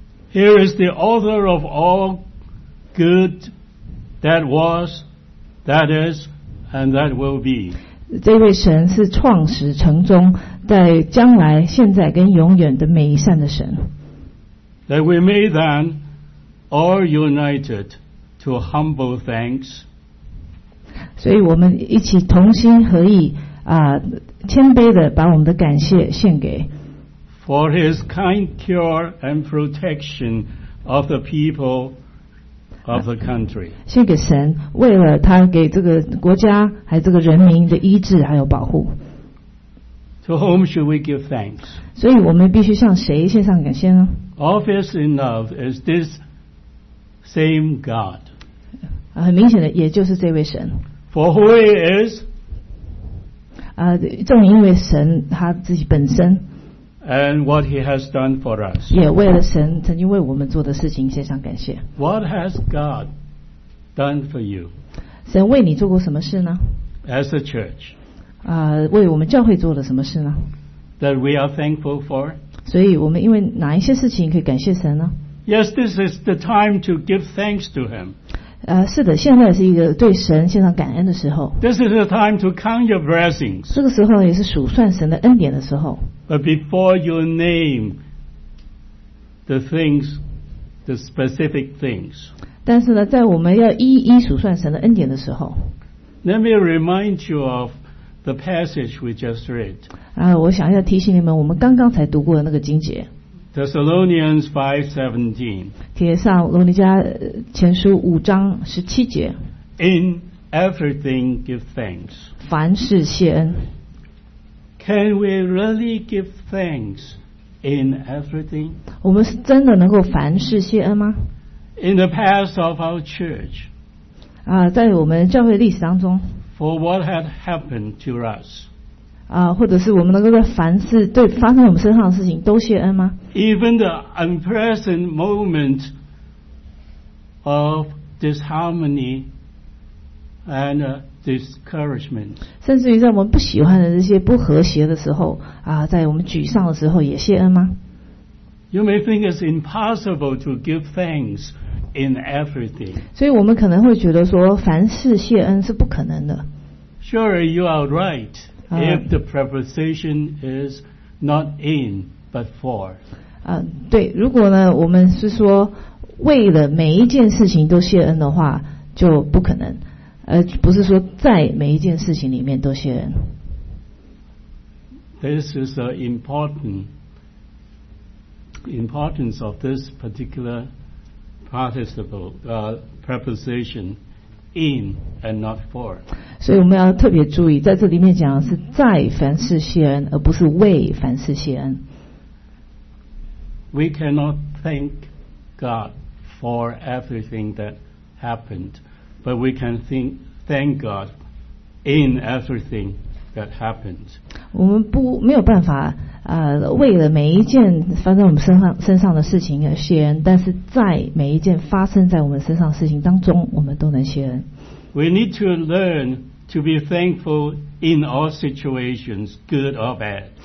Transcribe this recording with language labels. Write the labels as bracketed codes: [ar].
[en] Here is the author of all good that was, that is, and that will be. [zh] 这位神是创始成终，在将来、现在跟永远的每一善的神。 [en] That we may then all united. To humble thanks, [zh] 所以我们一起同心合意啊，谦卑的把我们的感谢献给。 [en] For his kind care and protection of the people of the country. [zh] 献给神，为了他给这个国家还有这个人民的医治还有保护。 [en] To whom should we give thanks? [zh] 所以我们必须向谁献上感谢呢？ [en] Obvious enough is this same God. [zh] 很明显的，也就是这位神。 [en] For who he is? [zh] 正因为神他自己本身。 [en] And what he has done for us. [zh] 也为了神曾经为我们做的事情献上感谢。 [en] What has God done for you? [zh] 神为你做过什么事呢？ [en] As a church. [zh] 为我们教会做了什么事呢？ [en] That we are thankful for. [zh] 所以我们因为哪一些事情可以感谢神呢？ [en] Yes, this is the time to give thanks to him. [zh] 是的，现在是一个对神献上感恩的时候。 [en] This is the time to count your blessings. [zh] 这个时候也是数算神的恩典的时候。 [en] But before you name the things, the specific things. [zh] 但是呢，在我们要一一数算神的恩典的时候。 [en] Let me remind you of the passage we just read. [zh] 我想要提醒你们，我们刚刚才读过的那个经节。 [en] Thessalonians 5:17. [zh] 帖撒罗尼迦前书五章十七节。 [en] In everything, give thanks. [zh] 凡事谢恩。 [en] Can we really give thanks in everything? [zh] 我们是真的能够凡事谢恩吗？ [en] In the past of our church. [zh] 在我们教会历史当中。 [en] For what had happened to us. [zh] 或者是我们能够在凡事对发生我们身上的事情都谢恩吗？ [en] Even the unpleasant moment of disharmony and discouragement. [zh] 甚至于在我们不喜欢的这些不和谐的时候在我们沮丧的时候也谢恩吗？ [en] You may think it's impossible to give thanks in everything. [zh] 所以我们可能会觉得说凡事谢恩是不可能的。 [en] Sure, you are right if the preposition is not in but for. [zh] 对，如果呢我们是说为了每一件事情都谢恩的话就不可能，不是说在每一件事情里面都谢恩。 [en] This is the importance of this particular participle, preposition in and not for. [zh] 所以我们要特别注意，在这里面讲的是在凡事谢恩，而不是为凡事谢恩。 [en] We cannot thank God for everything that happened, but we can think. Thank God in everything that happened. [zh] 我们不没有办法为了每一件发生我们身上的事情而谢恩，但是在每一件发生在我们身上的事情当中，我们都能谢恩。 [en] We need to learn to be thankful in all situations, good or bad.